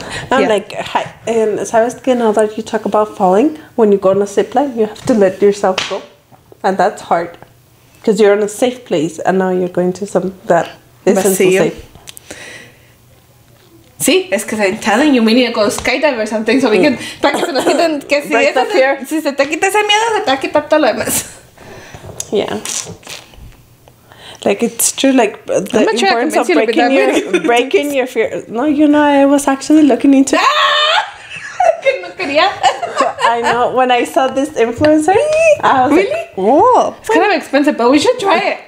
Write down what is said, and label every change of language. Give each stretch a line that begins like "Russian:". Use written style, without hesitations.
English: I'm yeah. like, hi. And
Spanish: sabes que
English: now that you talk about falling, when you go on a zip line, you have to let yourself go. And that's hard. Because you're in a safe place, and now you're going to some that isn't so safe.
Spanish: Sí, es que
English: I'm telling you, we need to go skydive or something, so we can...
Spanish: Si se te quita ese miedo, se te va a quitar todo lo demás.
English: Yeah. Like, it's true, like, the importance of breaking your fear. No, you know, I was actually looking into... I know, when I saw this influencer, I was really? Like, oh. It's kind of expensive, but we should try it.